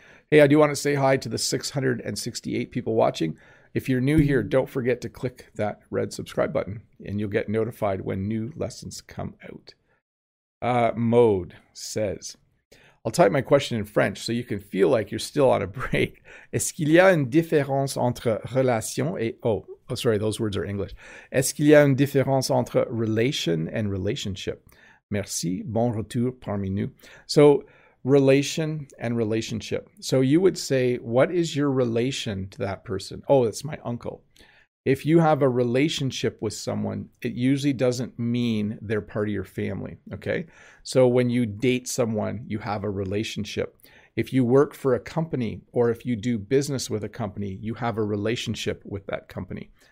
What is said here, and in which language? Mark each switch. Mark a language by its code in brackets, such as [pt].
[en] Hey, I do want to say hi to the 668 people watching. If you're new here, don't forget to click that red subscribe button and you'll get notified when new lessons come out. Mode says, I'll type my question in French so you can feel like you're still on a break. [fr] Est-ce qu'il y a une différence entre relation et... [en] Oh, sorry, those words are English. [fr] Est-ce qu'il y a une différence entre relation [en] and relationship? [fr] Merci, bon retour parmi nous. [en] So, relation and relationship. So, you would say, what is your relation to that person? Oh, that's my uncle. If you have a relationship with someone, it usually doesn't mean they're part of your family, okay? So, when you date someone, you have a relationship. If you work for a company or if you do business with a company, you have a relationship with that company.